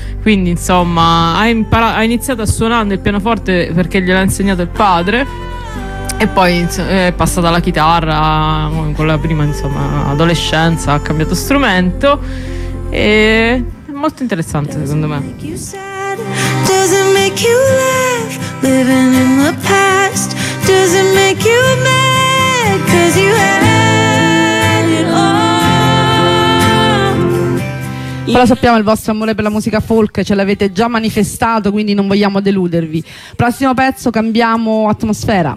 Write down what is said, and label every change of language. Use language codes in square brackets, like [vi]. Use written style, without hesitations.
[it] Quindi insomma ha iniziato a suonare il pianoforte perché gliel'ha insegnato il padre, e poi è passata alla chitarra con la prima, insomma, adolescenza, ha cambiato strumento. È molto interessante, secondo me. [en] Doesn't make you laugh, living in the past. Doesn't make you mad, cause you had it all. [it] Però sappiamo, il vostro amore per la musica folk ce l'avete già manifestato, quindi non vogliamo deludervi. Prossimo pezzo, cambiamo atmosfera.